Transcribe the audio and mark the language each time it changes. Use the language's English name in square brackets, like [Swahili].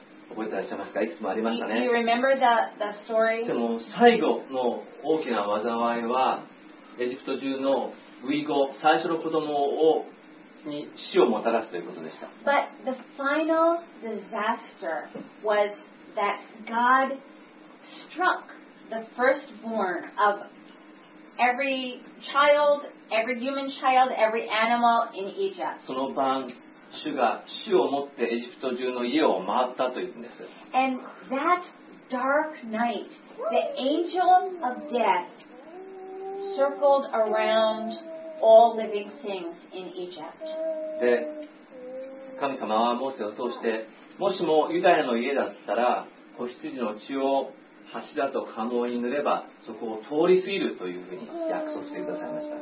[Japanese] 覚えてらっしゃいますか？いつもありましたね。 [English] You remember the story? [Japanese] でも最後の大きな災いはエジプト中のウイゴ、最初の子供をに死をもたらすということでした。 [English] But the final disaster was that God struck the firstborn of every child, every human child, every animal in Egypt. [Japanese] その晩、主が死をもってエジプト中の家を回ったというんです。 [English] And that dark night, the angel of death circled around all living things in Egypt. [Japanese] で、神様はモーセを通して、もしもユダヤの家だったら、子羊の血を柱と家紋に塗れば、そこを通り過ぎるというふうに約束してくださいました。